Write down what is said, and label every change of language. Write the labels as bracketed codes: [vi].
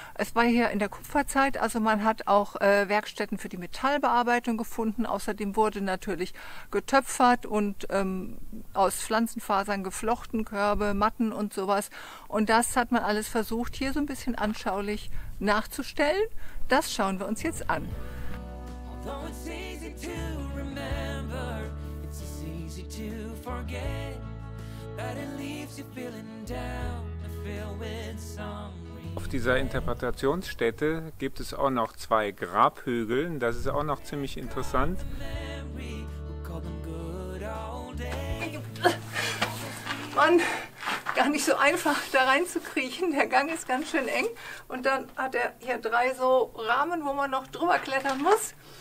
[de] Es war hier in der Kupferzeit, also man hat auch Werkstätten für die Metallbearbeitung gefunden. Außerdem wurde natürlich getöpfert und aus Pflanzenfasern geflochten, Körbe, Matten und sowas. Und das hat man alles versucht, hier so ein bisschen anschaulich nachzustellen. Das schauen wir uns jetzt an. [en] Though it's easy to remember, it's as easy to forget, that it leaves you feeling down and filled with some. [de] Auf dieser Interpretationsstätte gibt es auch noch 2 Grabhügel, das ist auch noch ziemlich interessant. Mann, gar nicht so einfach da reinzukriechen. Der Gang ist ganz schön eng und dann hat er hier 3 so Rahmen, wo man noch drüber klettern muss.